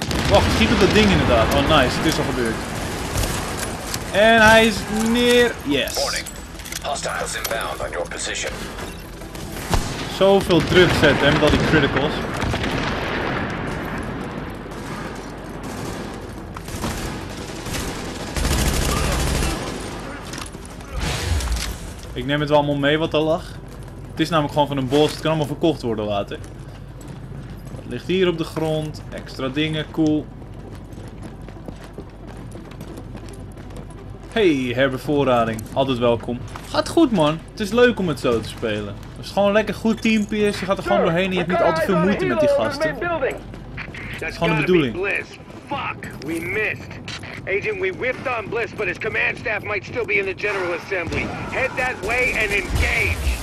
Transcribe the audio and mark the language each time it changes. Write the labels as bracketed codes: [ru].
[nl] Wacht, schiet op dat ding inderdaad. Oh, nice. Het is al gebeurd. En hij is neer. Yes. [en] Hostiles inbound on your position. [nl] Zoveel druk zetten en met al die criticals. Ik neem het wel allemaal mee wat er lag. Het is namelijk gewoon van een boss, het kan allemaal verkocht worden later. Wat ligt hier op de grond? Extra dingen, cool. Hey, herbevoorrading. Altijd welkom. Gaat goed, man. Het is leuk om het zo te spelen. Het is gewoon een lekker goed team, Piers. Je gaat er gewoon doorheen en je hebt niet al te veel moeite met die gasten. Dat is gewoon de bedoeling. [en] Bliss. Fuck, we missed. Agent, we whiffed on Bliss, but his command staff might still be in the General Assembly. Head that way and engage.